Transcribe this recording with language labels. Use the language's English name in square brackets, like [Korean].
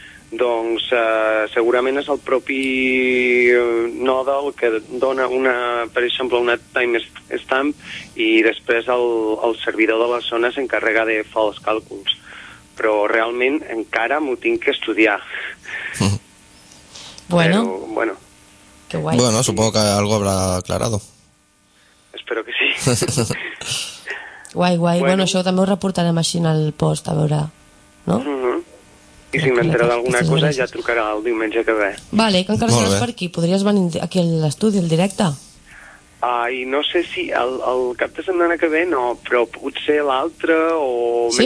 [Catalan] Doncs segurament és el propi node el que dona una, per exemple, una timestamp i després el servidor de la zona s'encarrega de fer els càlculs. Però realment encara m'ho tinc que estudiar. Bueno. Però, bueno. [Spanish] Qué guay. Bueno, supongo que algo habrá aclarado. Espero que sí. [Catalan] Guai, guai. Bueno, bueno, això també ho reportarem així en el post, a veure, no? I si m'entera d'alguna cosa ja trucarà el diumenge que ve. Vale, que encara seràs per aquí. Podries venir aquí a l'estudi, al directe? I no sé si el cap de setmana que ve no, però potser l'altre o sí?